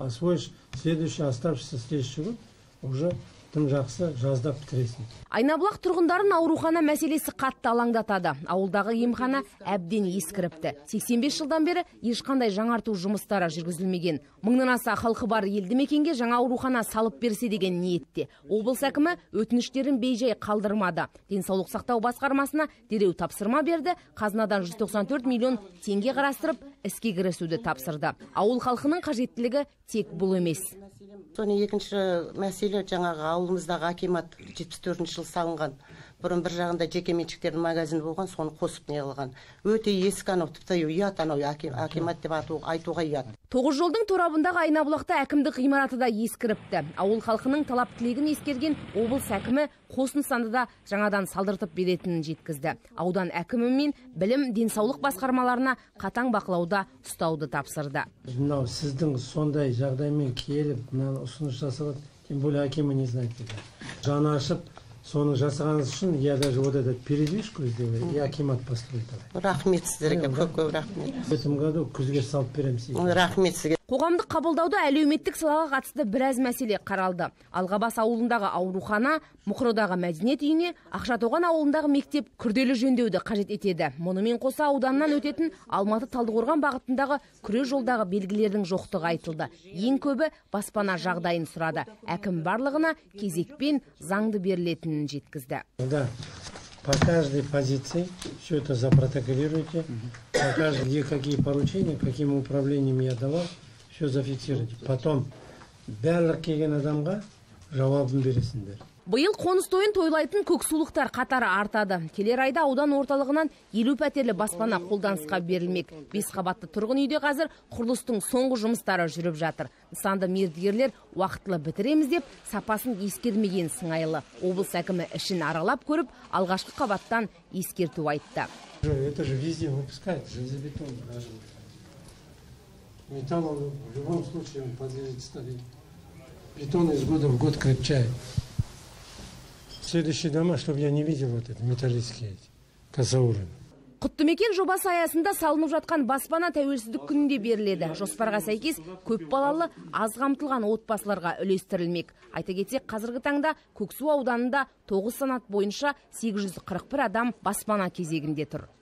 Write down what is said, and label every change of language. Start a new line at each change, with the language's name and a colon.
Russian: Освоишь следующий, оставшийся следующий год, уже
Kazakh: тым жақсы жазда бітіресің. Айнабұлақ тұрғындарын аурухана мәселесі қатты алаңдатады. Ауылдағы емхана әбден ескіріпті. 85 жылдан бері ешқандай жаңарту жұмыстары жүргізілмеген. Мыңнан аса халқы бар елді мекенге жаңа аурухана салып берсе деген ниетте. Облыс әкімі өтініштерін бейжай қалдырмады. Денсаулық сақтау басқармасына дереу тапсырма берді. Қазынадан 194 миллион теңге қарастырып, іске кірісуді тапсырды. Ауыл халқының қажеттілігі тек бұл емес. Соны екінші мәселе жаңағы ауылымыздағы акимат 74 жыл салынған. Бұрын бір жағында жеке меншіктердің магазині болған, соны қосып не қылған. Өте ескі анау, тіпті ұят анау, акимат деп айтуға ұят. 9 жолдың торабындағы Айнабұлақта әкімдік ғимараты да ескіріпті. Ауыл халқының талап тілегін ескерген облыс әкімі қос нысанды да жаңадан салдыртып беретінін жеткізді. Аудан әкімі мен білім денсаулық басқармаларына қатаң бақылауда ұстауды тапсырды. Мынау сіздің сондай жағдаймен келіп, мынаны ұсыныс жасалып,
Russian: тем более
Kazakh: әкімі
Russian: не знает.
Kazakh: Жаны ашып, соны жасағаныңыз үшін
Russian: я даже вот этот передвижку сделаю, я акимат построю тогда.
Kazakh: Рахмет сіздерге, көп-көп рахмет.
Russian: В этом году
Kazakh: күзге салып береміз. Рахмет сізге. Қоғамдық қабылдауда әлеуметтік салаға қатысты біраз мәселе қаралды. Алғабас ауылындағы аурухана, Мұқырыдағы мәдениет үйіне, Ақшатоған ауылындағы мектеп күрделі жөндеуді қажет етеді. Мұнымен қоса ауданнан өтетін Алматы Талдықорған бағытындағы күре жолдағы белгілердің жоқтығы айтылды. Ең көбі баспана жағдайын сұрады. Әкім барлығына кезекпен заңды берілетінін жеткізді.
Russian: По каждой позиции все это запротоколируйте. По каждой, где какие поручения, каким управлением я давал, все зафиксируйте. Потом
Kazakh: бәрлік келген адамға жауабын бересіндер. Биыл қоныс тойын тойлайтын көксулықтар қатары артады. Келер айда аудан орталығынан 50 пәтерлі баспана қолданысқа берілмек. 5 қабатты тұрғын үйде қазір құрылыстың соңғы жұмыстары жүріп жатыр. Нысанды мердігерлер уақытылы бітіреміз деп сапасын ескермеген сыңайлы. Облыс әкімі ішін аралап көріп, алғашқы қабаттан ескерту айтты.
Russian: Это же везде выпускают, железобетон. Металл в любом случае он подъедет старее. Бетон из года в год крепчает. Следующие дома, чтобы я не видел вот этот металлический, козаурин.
Kazakh: Құттымекен жобасы аясында салынып жатқан баспана тәуелсіздік күнінде беріледі. Жоспарға сәйкес көп балалы аз қамтылған отбасыларға үлестірілмек. Айта кетсек, қазіргі таңда Көксу ауданында 9 санат бойынша 841 адам баспана кезегінде тұр.